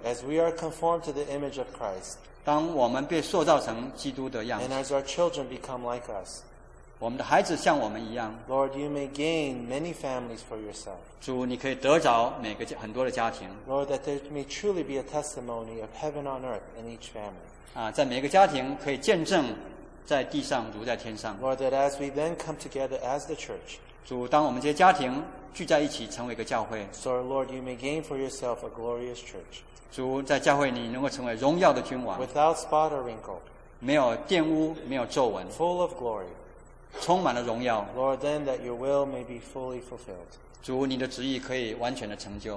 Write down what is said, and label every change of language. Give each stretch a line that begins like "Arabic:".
English: As we are conformed to the image of Christ.
Chinese: 当我们被塑造成基督的样子。
English: And as our children become like us.
Chinese: 我们的孩子像我们一样。
English: Lord, you may gain many families for yourself.
Chinese: 主，你可以得着每个很多的家庭。
English: Lord, that there may truly be a testimony of heaven on earth in each family.
Chinese: 啊，在每个家庭可以见证在地上如在天上。
English: Lord, that as we then come together as the church.
Chinese: 主，当我们这些家庭聚在一起成为一个教会。
English: So, Lord, you may gain for yourself a glorious church.
Chinese: 主，在教会你能够成为荣耀的君王。
English: Without spot or wrinkle.
Chinese: 没有玷污，没有皱纹。
English: Full of glory.
Chinese: 充满了荣耀。
English: Lord, then that your will may be fully fulfilled.
Chinese: 主，你的旨意可以完全的成就。